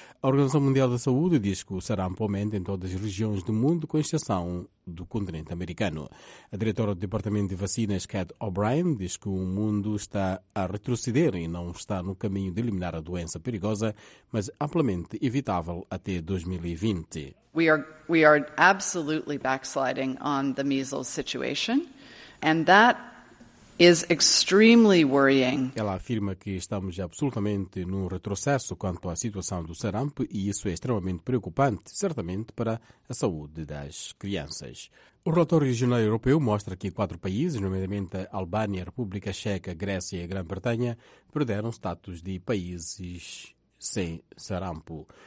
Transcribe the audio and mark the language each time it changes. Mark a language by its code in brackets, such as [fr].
[pt] A Organização Mundial da Saúde diz que o sarampo aumenta em todas as regiões do mundo, com exceção do continente americano. A diretora do Departamento de Vacinas, Kat O'Brien, diz que o mundo está a retroceder e não está no caminho de eliminar a doença perigosa, mas amplamente evitável até 2020. [en] We are absolutely backsliding on the measles situation, and that is extremely worrying. [pt] Ela afirma que estamos absolutamente num retrocesso quanto à situação do sarampo e isso é extremamente preocupante, certamente para a saúde das crianças. O relatório regional europeu mostra que quatro países, nomeadamente a Albânia, a República Checa, a Grécia e a Grã-Bretanha, perderam status de países sem sarampo.